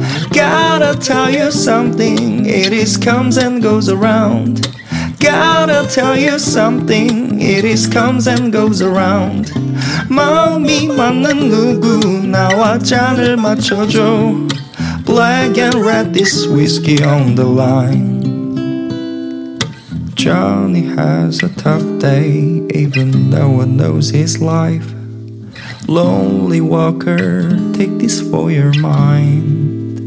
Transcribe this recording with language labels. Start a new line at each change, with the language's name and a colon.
English: Gotta tell you something. It is comes and goes around. Gotta tell you something. It is comes and goes around.
Korean: 마음이 맞는 누구 나와 잔을 맞춰줘.
English: Black and red this whiskey on the line. Johnny has a tough day. Even no one knows his life. Lonely walker, take this for your mind.